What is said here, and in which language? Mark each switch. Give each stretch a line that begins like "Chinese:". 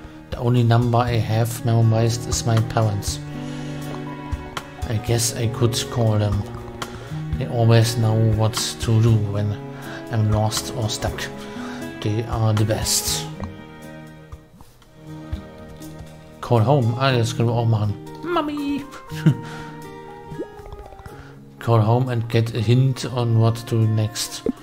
English: The only number I have memorized is my parents. I guess I could call them. They always know what to do when I'm lost or stuck. They are the best. Call home.
German: Ah, das können wir auch machen. Mami!
English: Call home and get a hint on what to do next.